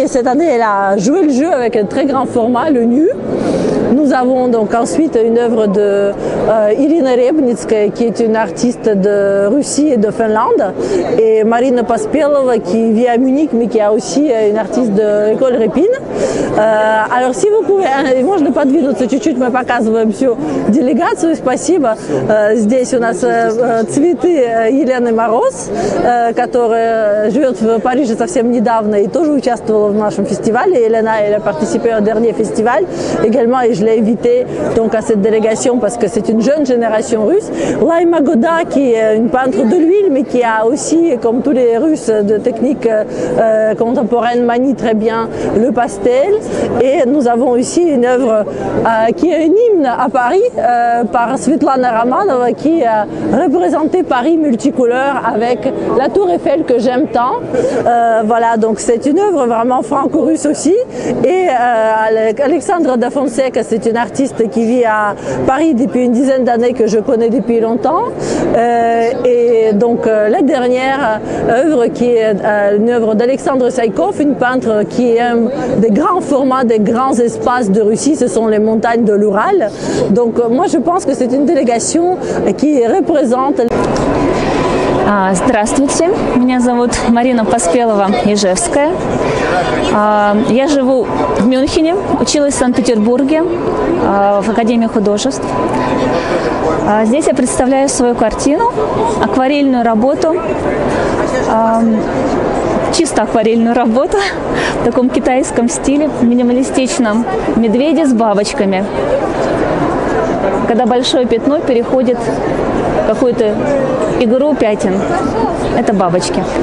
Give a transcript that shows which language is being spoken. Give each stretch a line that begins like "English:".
French: Et cette année, elle a joué le jeu avec un très grand format, le nu. Nous avons donc ensuite une œuvre de Ирина Ребницкая, qui est une artiste de Russie et de Finlande, et Марина Поспелова, qui vit à Munich, mais qui est aussi une artiste de l'école Répine. Alors si vous pouvez,
Russian: можно подвинуться чуть-чуть, мы показываем всю делегацию, спасибо. Здесь у нас цветы Елены Мороз, которая живет в Париже совсем недавно и тоже участвовала в нашем фестивале.
French: Елена, elle a participé au dernier festival également, et je l'ai invitée donc à cette délégation parce que c'est une jeune génération russe. Laïma Goda, qui est une peintre de l'huile, mais qui a aussi, comme tous les Russes, de technique contemporaine, manie très bien le pastel. Et nous avons aussi une œuvre qui est un hymne à Paris par Svetlana Ramanova, qui a représenté Paris multicolore avec la tour Eiffel que j'aime tant. Voilà, donc c'est une œuvre vraiment franco-russe aussi. Et Alexandre da Fonseca, c'est une artiste qui vit à Paris depuis une dizaine d'années, que je connais depuis longtemps. Et donc la dernière œuvre, qui est une œuvre d'Alexandre Saïkov, une peintre qui aime des grands formats, des grands espaces de Russie, ce sont les montagnes de l'Oural. Donc moi je pense que c'est une délégation qui représente...
Russian: Здравствуйте, меня зовут Марина Поспелова-Ижевская. Я живу в Мюнхене, училась в Санкт-Петербурге в Академии художеств. Здесь я представляю свою картину, акварельную работу, чисто акварельную работу в таком китайском стиле, минималистичном, медведи с бабочками, когда большое пятно переходит в какую-то игру пятен. Это бабочки.